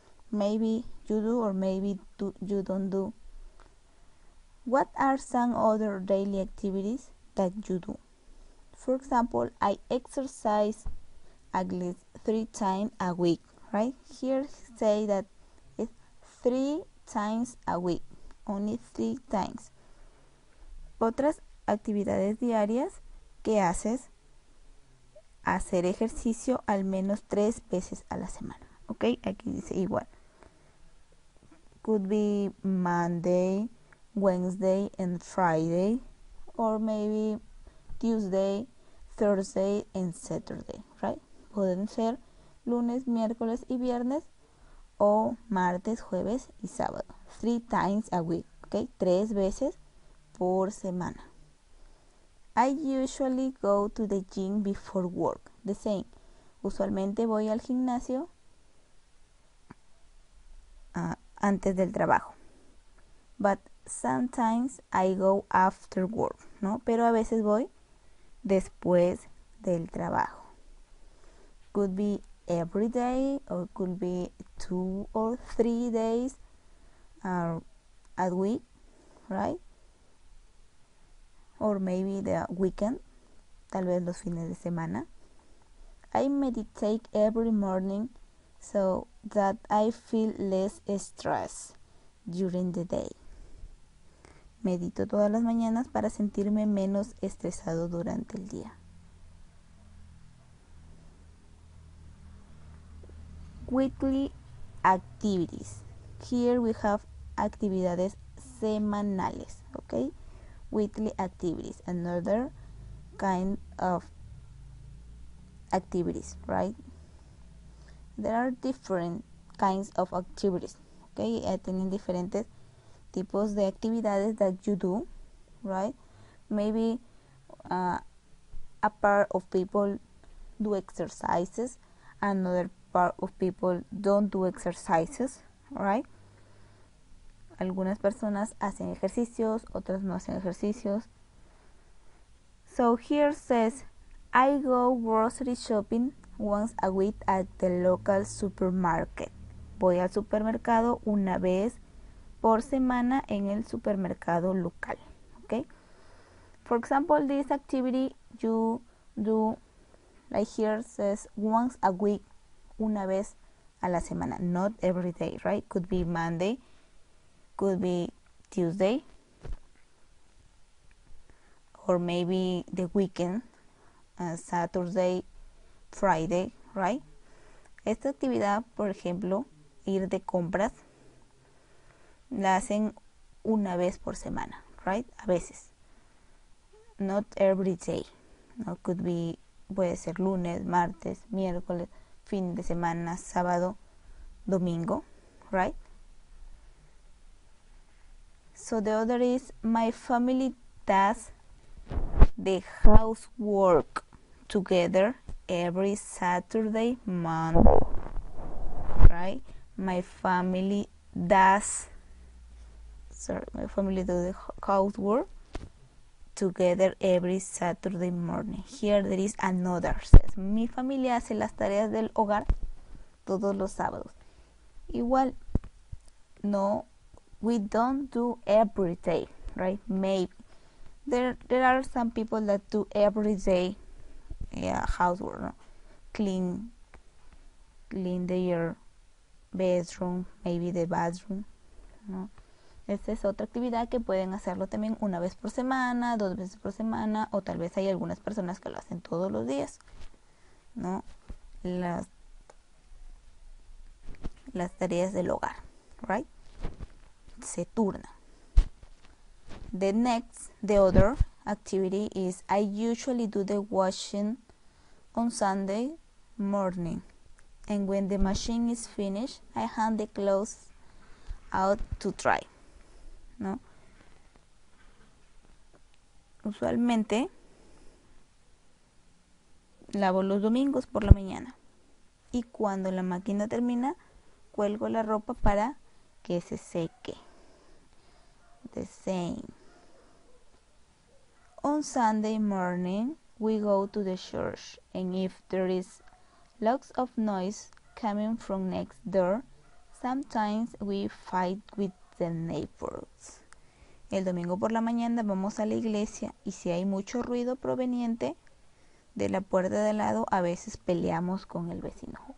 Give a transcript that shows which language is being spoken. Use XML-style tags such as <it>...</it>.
<en>Maybe you do or maybe you don't do. What are some other daily activities that you do? For example, I exercise at least 3 times a week, right? Here say that it's 3 times a week, only 3 times.</en> <es>Otras actividades diarias que haces, hacer ejercicio al menos 3 veces a la semana, ok? Aquí dice igual.</es> <en>Could be Monday, Wednesday and Friday, or maybe Tuesday, Thursday and Saturday, right?</en> <es>Pueden ser lunes, miércoles y viernes o martes, jueves y sábado.</es> <en>3 times a week, okay?</en> <es>3 veces por semana.</es> <en>I usually go to the gym before work. The same.</en> <es>Usualmente voy al gimnasio antes del trabajo.</es> <en>But sometimes I go after work, ¿no?</en> <es>Pero a veces voy después del trabajo.</es> <en>Could be every day or could be 2 or 3 days a week, right? Or maybe the weekend,</en> <es>tal vez los fines de semana.</es> <en>I meditate every morning so that I feel less stress during the day.</en> <es>Medito todas las mañanas para sentirme menos estresado durante el día.</es> <en>Weekly activities. Here we have</en> <es>actividades semanales,</es> <en>okay? Weekly activities, another kind of activities, right? There are different kinds of activities, okay?</en> <es>Tienen diferentes tipos de actividades</es> <en>that you do, right? Maybe a part of people do exercises, another part of people don't do exercises, right?</en> <es>Algunas personas hacen ejercicios, otras no hacen ejercicios.</es> <en>So here says, I go grocery shopping once a week at the local supermarket.</en> <es>Voy al supermercado una vez por semana en el supermercado local.</es> <en>Okay? For example, this activity you do, like here says, once a week,</en> <es>una vez a la semana.</es> <en>Not every day, right? Could be Monday. Could be Tuesday, or maybe the weekend, Saturday, Friday, right?</en> <es>Esta actividad, por ejemplo, ir de compras, la hacen una vez por semana, right? A veces.</es> <en>Not every day. No, could be,</en> <es>puede ser lunes, martes, miércoles, fin de semana, sábado, domingo, right?</es> <en>So the other is, my family does the housework, together every Saturday month. Right? My family do the housework together every Saturday morning. Here there is another.</en> <es>Mi familia hace las tareas del hogar todos los sábados. Igual, no,</es> <en>we don't do every day, right? Maybe. There are some people that do every day housework, no? Clean their bedroom, maybe the bathroom, no?</en> <es>Esta es otra actividad que pueden hacerlo también una vez por semana, dos veces por semana, o tal vez hay algunas personas que lo hacen todos los días, ¿no? Las tareas del hogar, right? Se turna.</es> <en>The other activity is I usually do the washing on Sunday morning. And when the machine is finished, I hang the clothes out to dry.</en> <es>¿No? Usualmente lavo los domingos por la mañana y cuando la máquina termina cuelgo la ropa para que se seque.</es> <en>The same. On Sunday morning we go to the church, and if there is lots of noise coming from next door, sometimes we fight with the neighbors.</en> <es>El domingo por la mañana vamos a la iglesia y si hay mucho ruido proveniente de la puerta de al lado, a veces peleamos con el vecino.</es>